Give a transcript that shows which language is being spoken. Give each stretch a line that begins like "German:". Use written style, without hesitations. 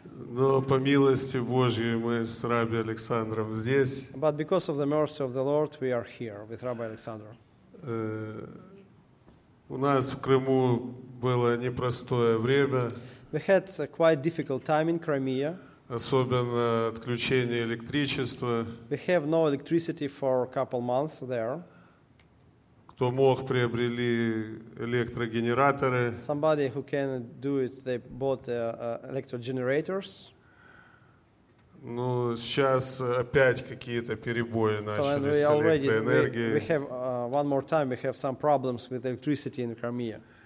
Russian: Но по милости Божьей мы с Рабби Александром здесь.
English: But because of the mercy of the Lord, we are here with Rabbi Alexander.
Russian: У нас в Крыму было непростое время.
English: We had a quite difficult time in Crimea.
Russian: Особенно отключение электричества.
English: We have no electricity for a couple months there.
Russian: Кто мог, приобрели электрогенераторы.
English: Somebody who can do it, they bought electrogenerators.
Russian: Ну, сейчас опять какие-то перебои начались с электроэнергией.
English: We have one more time, we have some problems with electricity in Crimea.